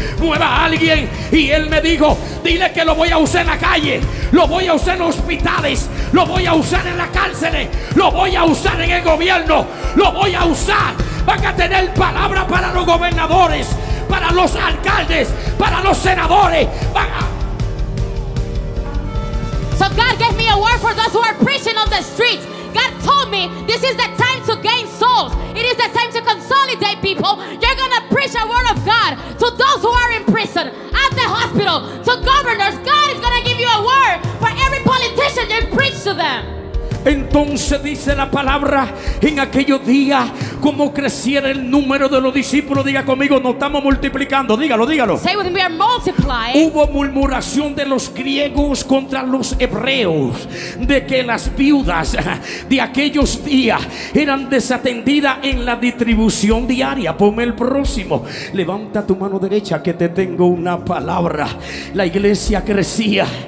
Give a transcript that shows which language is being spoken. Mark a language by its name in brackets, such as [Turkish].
[Spanish] mueva a alguien y él me dijo dile que lo voy a usar en la calle lo voy a usar en hospitales lo voy a usar en las cárceles lo voy a usar en el gobierno lo voy a usar van a tener palabra para los gobernadores para los alcaldes, para los senadores. [English] So God gave me a word for those who are preaching on the streets. God told me this is the time to gain souls. It is the time to consolidate people. You're gonna preach a word of God to those who are in prison, at the hospital, to governors. God is gonna give you a word for every politician you preach to them. [Spanish] Entonces dice la palabra en aquellos días como creciera el número de los discípulos diga conmigo nos estamos multiplicando dígalo [English] Say with me, we are multiplying. [Spanish] Hubo murmuración de los griegos contra los hebreos de que las viudas de aquellos días eran desatendidas en la distribución diaria ponme el próximo levanta tu mano derecha que te tengo una palabra la iglesia crecía